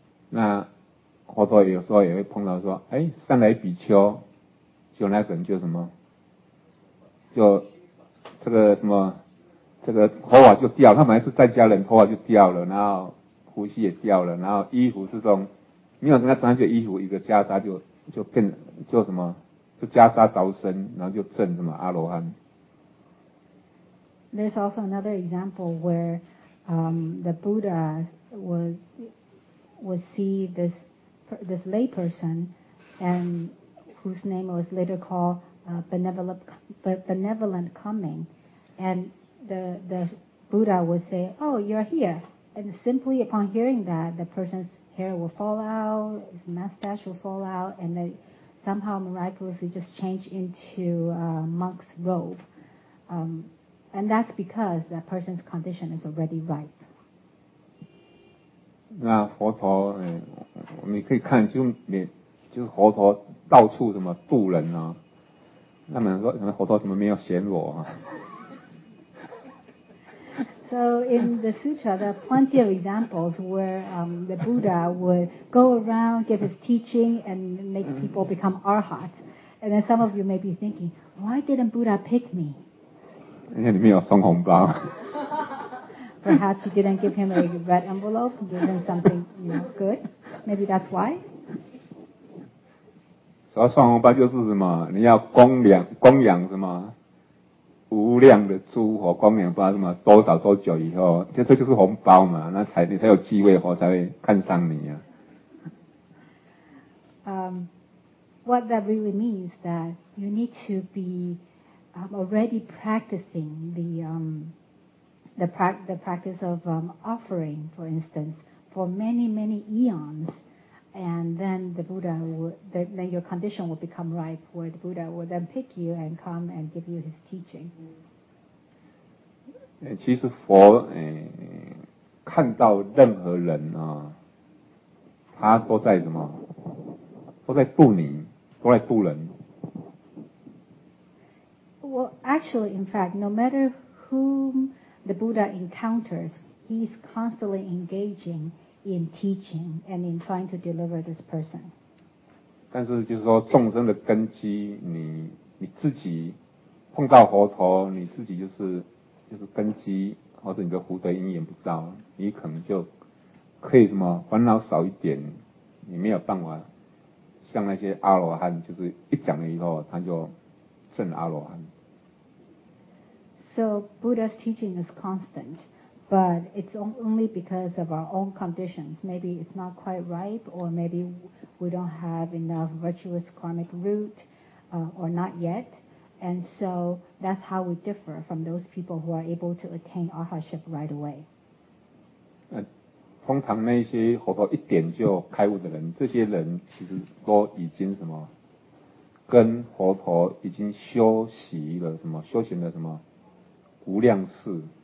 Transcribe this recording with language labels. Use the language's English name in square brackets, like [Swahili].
[Chinese] 那佛陀有时候也会碰到说，哎，善来比丘，就那个人就什么，就这个什么，这个头发就掉，他本来是在家人，头发就掉了，然后胡须也掉了，然后衣服这种没有跟他穿起衣服，一个袈裟就变就什么就袈裟着身，然后就证什么阿罗汉。 [English] There's also another example where the Buddha would see this lay person and whose name was later called benevolent coming, and the Buddha would say, "Oh, you're here." And simply upon hearing that, the person's hair will fall out, his mustache will fall out, and they somehow miraculously just change into a monk's robe. And that's because that person's condition is already ripe. [Chinese] 那佛陀，你可以看，就是佛陀到处什么度人啊。那么说，佛陀怎么没有嫌我啊？ [English] So in the sutra, there are plenty of examples where the Buddha would go around, give his teaching, and make people become arhat. And then some of you may be thinking, why didn't Buddha pick me? [Chinese] 因为里面有送红包。 [English] Perhaps you didn't give him a red envelope, give him something good. Maybe that's why. [Chinese] 所以送红包就是什么？你要供养什么？无量的诸佛光明，不知道什么多少多久以后，这就是红包嘛，那才你才有机会，佛才会看上你啊。 [English] What that really means that you need to be already practicing the practice of offering, for instance, for many many eons, and then the Buddha then your condition will become ripe, where the Buddha will then pick you and come and give you his teaching. [Chinese] 其实佛看到任何人啊，他都在什么，都在度你，都在度人。 [English] Well, actually, in fact, no matter whom the Buddha encounters, he's constantly engaging in teaching and in trying to deliver this person. [Chinese] 但是就是说众生的根基，你自己碰到佛陀，你自己就是根基，或者你的福德因缘不到，你可能就可以什么烦恼少一点，你没有办法像那些阿罗汉，就是一讲了以后他就证阿罗汉。 [English] So Buddha's teaching is constant. But it's only because of our own conditions. Maybe it's not quite ripe, or maybe we don't have enough virtuous karmic root, or not yet. And so that's how we differ from those people who are able to attain arhatship right away. [Chinese] 通常那些佛陀一点就开悟的人，这些人其实都已经什么跟佛陀已经修习了什么修行了什么无量世。